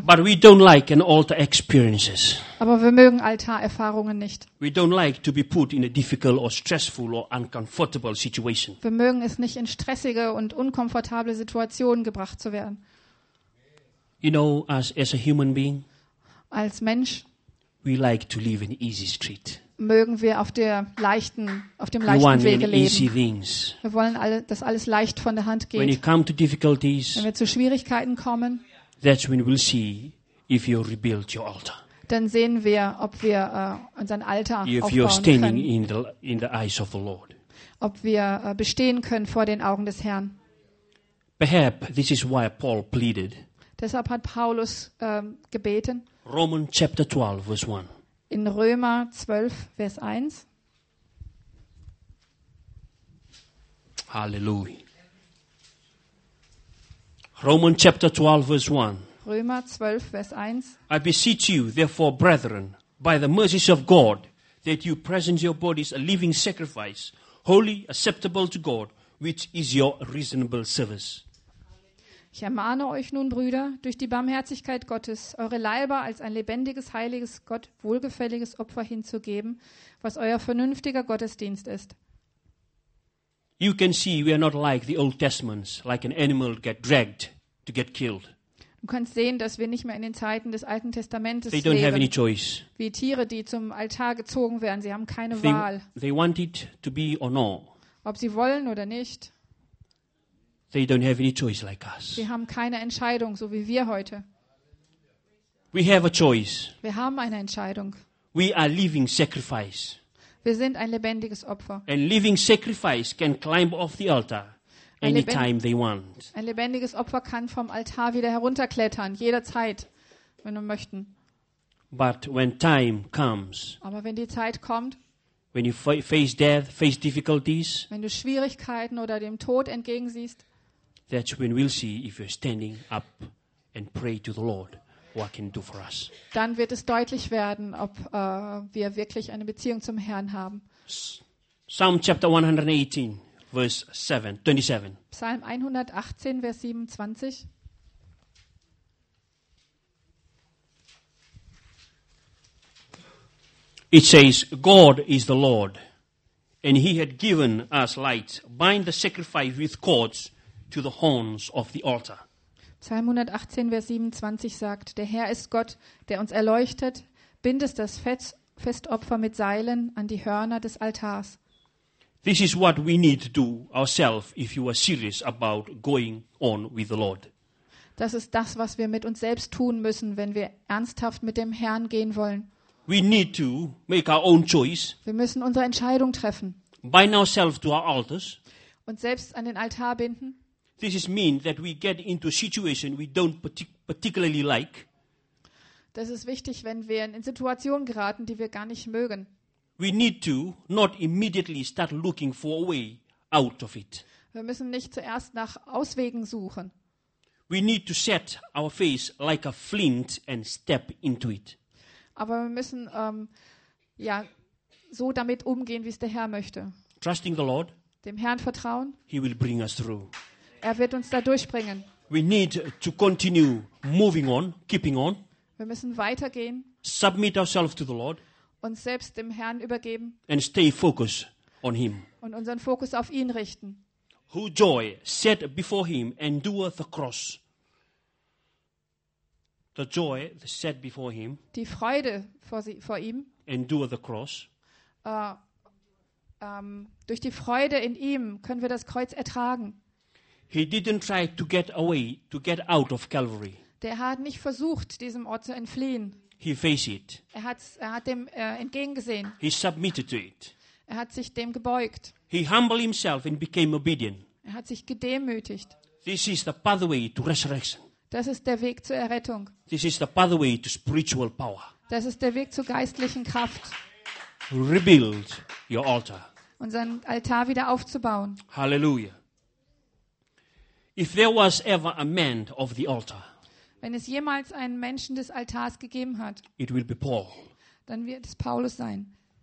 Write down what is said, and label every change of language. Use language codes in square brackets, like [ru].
[en] But we don't like an altar experiences. [de] Aber wir mögen Altarerfahrungen nicht. [en] We don't like to be put in a difficult or stressful or uncomfortable situation. [de] Wir mögen es nicht, in stressige und unkomfortable Situationen gebracht zu werden. [en] You know, as a human being, [de] als Mensch, [en] we like to live an easy street. [de] Mögen wir auf dem leichten Wege leben. Wir wollen, dass alles leicht von der Hand geht. [en] When you come to difficulties, [de] wenn wir zu Schwierigkeiten kommen, [en] that's when we'll see if you rebuild your altar. [de] Dann sehen wir, ob wir unseren Altar [en] if [de] aufbauen [en] you're standing [de] können. [en] In the eyes of the Lord. [de] Ob wir bestehen können vor den Augen des Herrn. [en] Perhaps this is why Paul pleaded. [de] Deshalb hat Paulus gebeten. [en] Romans chapter 12 verse 1. [de] In Römer 12, Vers 1. Halleluja. [en] Romans chapter 12, verse 1. [de] Römer 12, Vers 1. [en] I beseech you, therefore, brethren, by the mercies of God, that you present your bodies a living sacrifice, holy, acceptable to God, which is your reasonable service. [de] Ich ermahne euch nun, Brüder, durch die Barmherzigkeit Gottes, eure Leiber als ein lebendiges, heiliges, Gott wohlgefälliges Opfer hinzugeben, was euer vernünftiger Gottesdienst ist. [en] You can see we are not like the Old Testaments, like an animal get dragged to get killed. [de] Du kannst sehen, dass wir nicht mehr in den Zeiten des Alten Testamentes [en] they don't [de] leben. [en] Have any choice. [de] Wie Tiere, die zum Altar gezogen werden, sie haben keine Wahl. [en] They want it to be or no. [de] Ob sie wollen oder nicht. [en] They don't have any choice like us. [de] Wir haben keine Entscheidung, so wie wir heute. [en] We have a choice. [de] Wir haben eine Entscheidung. [en] We are living sacrifice. [de] Wir sind ein lebendiges Opfer. [en] And living sacrifice can climb off the altar anytime they want. [de] Ein lebendiges Opfer kann vom Altar wieder herunterklettern, jederzeit, wenn wir möchten. [en] But when time comes. [de] Aber wenn die Zeit kommt. [en] When you face death, face difficulties, [de] wenn du Schwierigkeiten oder dem Tod entgegensiehst, [en] that's when we'll see if you're standing up and pray to the Lord, what can do for us. [de] Dann wird es deutlich werden, ob wir wirklich eine Beziehung zum Herrn haben. [en] Psalm chapter 118, verse 7, 27. [de] Psalm 118, Vers 27. [en] It says, God is the Lord, and he had given us light. Bind the sacrifice with cords to the horns of the altar. [de] Psalm 118, Vers 27 sagt, der Herr ist Gott, der uns erleuchtet. Bindest das Festopfer mit Seilen an die Hörner des Altars. [en] This is what we need to do ourselves if you are serious about going on with the Lord. [de] Das ist das, was wir mit uns selbst tun müssen, wenn wir ernsthaft mit dem Herrn gehen wollen. [en] We need to make our own choice. [de] Wir müssen unsere Entscheidung treffen. [en] Bind ourselves to our altars. [de] Und selbst an den Altar binden. [en] This is mean that we get into a situation we don't particularly like. [de] Das ist wichtig, wenn wir in Situationen geraten, die wir gar nicht mögen. [en] We need to not immediately start looking for a way out of it. [de] Wir müssen nicht zuerst nach Auswegen suchen. [en] We need to set our face like a flint and step into it. [de] Aber wir müssen so damit umgehen, wie es der Herr möchte. [en] Trusting the Lord, [de] dem Herrn vertrauen. [en] He will bring us through. [de] Er wird uns da durchbringen. [en] We need to continue moving on, keeping on. [de] Wir müssen weitergehen. [en] Submit ourselves to the Lord. [de] Uns selbst dem Herrn übergeben. [en] And stay focused on him. [de] Und unseren Fokus auf ihn richten. [en] who joy set before him endureth the cross. The joy set before him. [de] Die Freude vor ihm. [en] Endure the cross. [de] Durch die Freude in ihm können wir das Kreuz ertragen. [en] He didn't try to get away, to get out of Calvary. [de] Der hat nicht versucht, diesem Ort zu entfliehen. [en] He faced it. [de] Er hat dem entgegengesehen. [en] He submitted to it. [de] Er hat sich dem gebeugt. [en] He humbled himself and became obedient. [de] Er hat sich gedemütigt. [en] This is the pathway to resurrection. [de] Das ist der Weg zur Errettung. [en] This is the pathway to spiritual power. [de] Das ist der Weg zur geistlichen Kraft. [en] Rebuild your altar. [de] Unseren Altar wieder aufzubauen. Halleluja. [en] If there was ever a man of the altar, [de] wenn es jemals einen Menschen des Altars gegeben hat, [en] it will be Paul. [de] Dann wird es Paulus sein.